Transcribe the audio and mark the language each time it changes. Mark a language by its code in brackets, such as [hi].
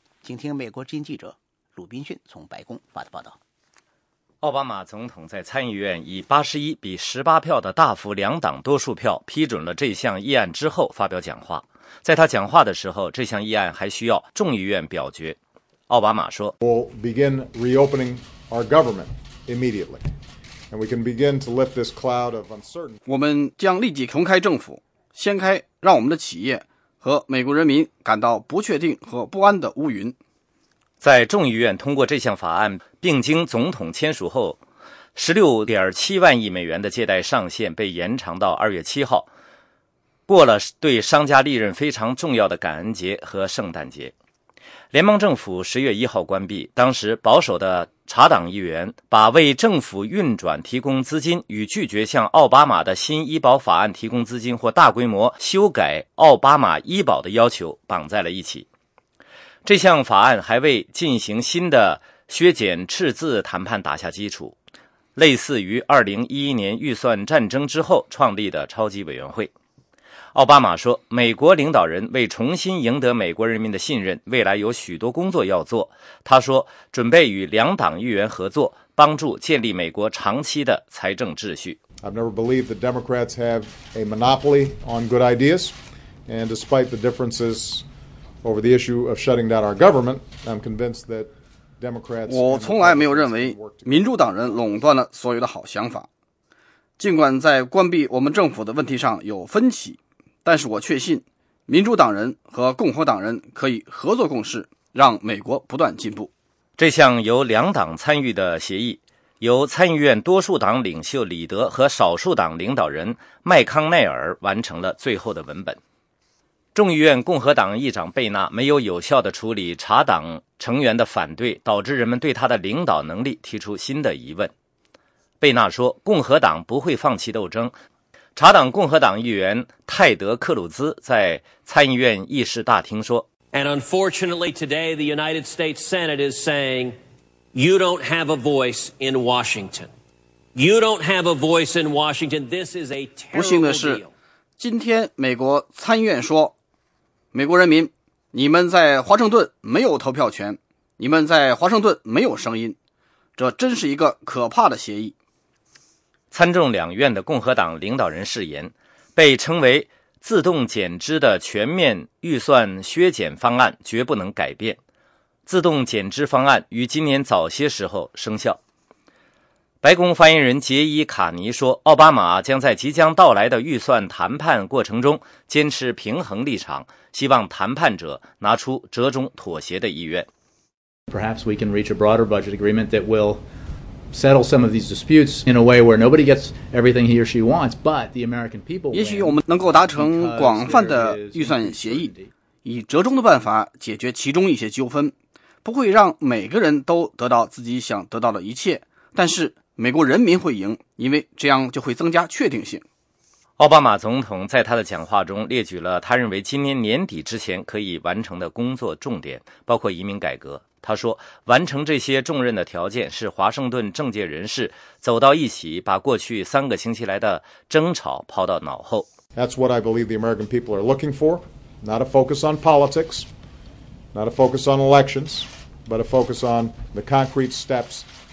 [zh] 请听美国之音记者鲁宾逊从白宫发的报道。奥巴马总统在参议院以81-18票的大幅两党多数票批准了这项议案之后发表讲话。在他讲话的时候，这项议案还需要众议院表决。奥巴马说 [en] ：“We'll begin reopening our government immediately, and we can begin to lift this cloud of uncertainty。” [zh] 我们将立即重开政府，掀开让我们的企业和美国人民感到不确定和不安的乌云。在众议院通过这项法案并经总统签署后 ,16.7万亿美元的借贷上限被延长到2月7号过了对商家利润非常重要的感恩节和圣诞节。联邦政府10月1号关闭，当时保守的查党议员把为政府运转提供资金与拒绝向奥巴马的新医保法案提供资金或大规模修改奥巴马医保的要求绑在了一起。这项法案还为进行新的削减赤字谈判打下基础，类似于2011年预算战争之后创立的超级委员会。奥巴马说，美国领导人为重新赢得美国人民的信任，未来有许多工作要做。他说，准备与两党议员合作，帮助建立美国长期的财政秩序。 [en] I've never believed that Democrats have a monopoly on good ideas, and despite the differences over the issue of shutting down our government, I'm convinced that [zh] 我从来没有认为民主党人垄断了所有的好想法。尽管在关闭我们政府的问题上有分歧，但是我确信民主党人和共和党人可以合作共事，让美国不断进步。这项由两党参与的协议，由参议院多数党领袖李德和少数党领导人麦康奈尔完成了最后的文本。众议院共和党议长贝纳没有有效地处理查党成员的反对，导致人们对他的领导能力提出新的疑问。贝纳说，共和党不会放弃斗争。查党共和党议员泰德·克鲁兹在参议院议事大厅说 [en] And unfortunately today the United States Senate is saying you don't have a voice in Washington. You don't have a voice in Washington. This is a terrible deal. [zh] 今天美国参议院说，美国人民，你们在华盛顿没有投票权，你们在华盛顿没有声音，这真是一个可怕的协议。参众两院的共和党领导人誓言，被称为自动减支的全面预算削减方案绝不能改变。自动减支方案于今年早些时候生效。白宫发言人杰伊·卡尼说，奥巴马将在即将到来的预算谈判过程中坚持平衡立场，希望谈判者拿出折中妥协的意愿。 [en] Perhaps we can reach a broader budget agreement that will settle some of these disputes in a way where nobody gets everything he or she wants, but the American people. [zh] 也许我们能够达成广泛的预算协议，以折中的办法解决其中一些纠纷，不会让每个人都得到自己想得到的一切，但是美国人民会赢，因为这样就会增加确定性。奥巴马总统在他的讲话中列举了他认为今年年底之前可以完成的工作重点，包括移民改革、他说，完成这些重任的条件是华盛顿政界人士走到一起，把过去三个星期来的争吵抛到脑后。 [en] That's what I believe the American people are looking for. Not a focus on politics, not a focus on elections, but a focus on the concrete steps.